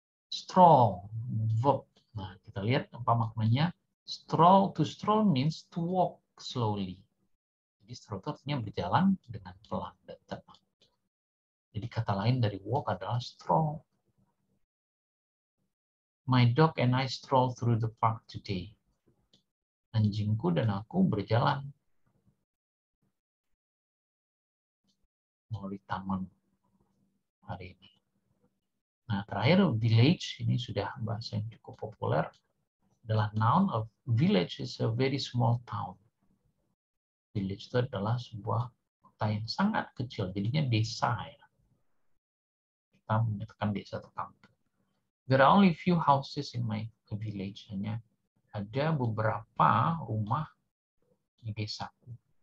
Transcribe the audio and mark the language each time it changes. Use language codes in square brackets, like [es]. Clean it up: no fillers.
[id] Stroll, verb. Nah, kita lihat apa maknanya. [en] Stroll, to stroll means to walk slowly. [id] Jadi stroll itu artinya berjalan dengan pelan dan tepat. Jadi kata lain dari walk adalah stroll. [en] My dog and I stroll through the park today. [id] Anjingku dan aku berjalan melalui taman hari ini. Nah, terakhir, village. Ini sudah bahasa yang cukup populer. Adalah [en] noun of village is a very small town. [id] Village itu adalah sebuah kota yang sangat kecil. Jadinya desa. Ya. Kita menyatakan desa atau kampung. [en] There are only few houses in my village. [id] Hanya ada beberapa rumah di desaku.